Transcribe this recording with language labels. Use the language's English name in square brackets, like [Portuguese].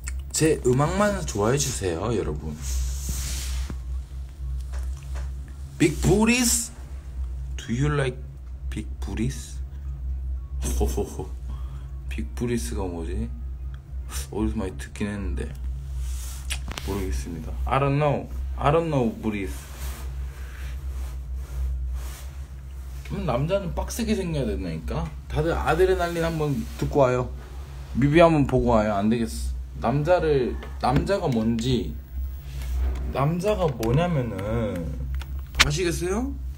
[Korean] 제 음악만 좋아해 주세요, 여러분. [English] Big booties? Do you like big booties? 호호호. [Korean] 빅 브리스가 뭐지? 어디서 많이 듣긴 했는데 모르겠습니다. [English] I don't know 브리스. [Korean] 그럼 남자는 빡세게 생겨야 된다니까. 다들 아드레날린 한번 듣고 와요. 뮤비 한번 보고 와요. 안 되겠어. 남자가 뭔지. 남자가 뭐냐면은 아시겠어요?